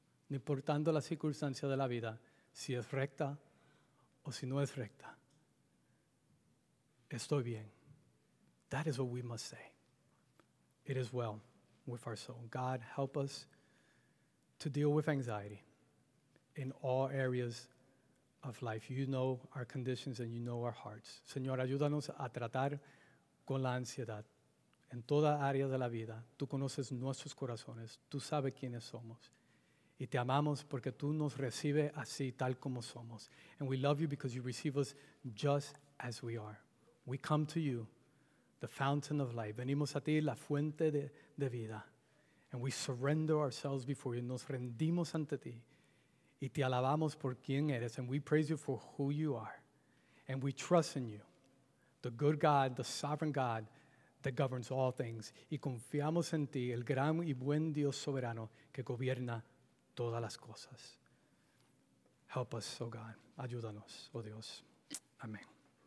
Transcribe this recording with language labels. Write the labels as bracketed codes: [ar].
[es] No importando la circunstancia de la vida, si es recta o si no es recta, estoy bien. [en] That is what we must say. It is well with our soul. God, help us to deal with anxiety in all areas of life. You know our conditions and you know our hearts. [es] Señor, ayúdanos a tratar con la ansiedad en toda área de la vida. Tú conoces nuestros corazones. Tú sabes quiénes somos. Y te amamos porque tú nos recibes así, tal como somos. [en] And we love you because you receive us just as we are. We come to you, the fountain of life. [es] Venimos a ti, la fuente de vida. [en] And we surrender ourselves before you. [es] Nos rendimos ante ti. Y te alabamos por quien eres. [en] And we praise you for who you are. And we trust in you, the good God, the sovereign God that governs all things. [es] Y confiamos en ti, el gran y buen Dios soberano que gobierna todas las cosas. [en] Help us, oh God. [es] Ayúdanos, oh Dios. Amén.